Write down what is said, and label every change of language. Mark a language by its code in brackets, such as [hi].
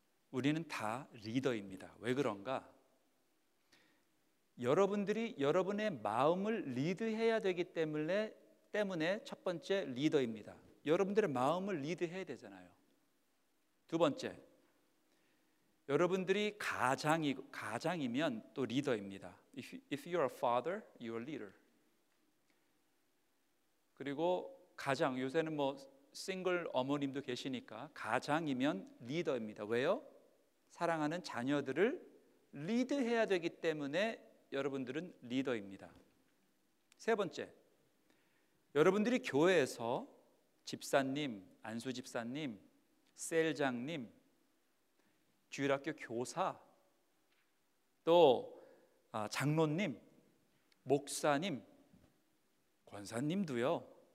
[ko] 우리는 다 리더입니다. 왜 그런가? 여러분들이 여러분의 마음을 리드해야 되기 때문에 첫 번째 리더입니다. 여러분들의 마음을 리드해야 되잖아요. 두 번째, 여러분들이 가장이면 또 리더입니다. [en] If you are a father, you are a leader. [ko] 그리고 가장, 요새는 뭐 싱글 어머님도 계시니까 가장이면 리더입니다. 왜요? 사랑하는 자녀들을 리드해야 되기 때문에 여러분들은 리더입니다. 세 번째, 여러분들이 교회에서 집사님, 안수 집사님, 셀장님, 주일학교 교사, 또 장로님, 목사님, 권사님도요.